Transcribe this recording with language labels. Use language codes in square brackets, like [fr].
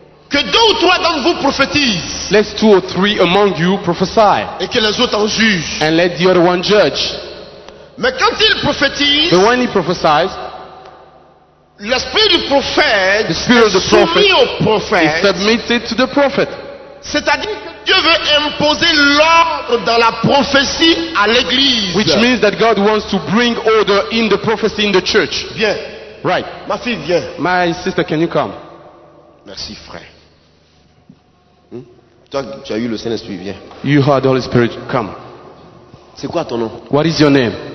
[fr] Que deux ou trois d'entre vous prophétisent. [en] Let two or three among you prophesy. [fr] Et que les autres en jugent. [en] And let the other one judge. [fr] Mais quand il prophétise, [en] but when he prophesies, [fr] l'esprit du prophète, [en] the spirit of the prophet, [fr] soumis au prophète, [en] is submitted to the prophet. [fr] C'est-à-dire que Dieu veut imposer l'ordre dans la prophétie à l'église. [en] Which means that God wants to bring order in the prophecy in the church. [fr] Viens. [en] Right. [fr] Ma fille, viens. [en] My sister, can you come? [fr] Merci, frère. Toi, tu as eu le Saint-Esprit, viens. [en] You heard the Holy Spirit, come. [fr] C'est quoi ton nom? [en] What is your name?